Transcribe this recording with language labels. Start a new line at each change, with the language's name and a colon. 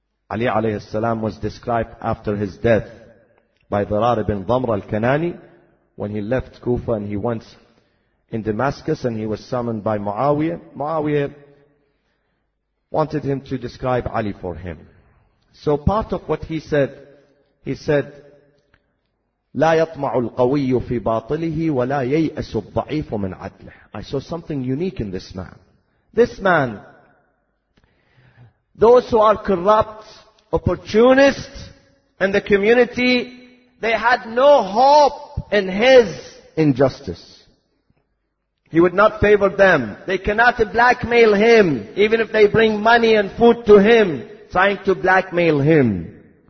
English: Ali alayhi salam was described after his death by Dharar ibn Dhamr al-Kanani when he left Kufa and he went in Damascus and he was summoned by Muawiyah. Muawiyah wanted him to describe Ali for him. So part of what he said,
Arabic: لا يطمع القوي في باطله ولا ييأس الضعيف من عدله.
English: I saw something unique in this man. This man, those who are corrupt, opportunists in the community, they had no hope in his injustice. He would not favor them. They cannot blackmail him, even if they bring money and food to him, trying to blackmail him.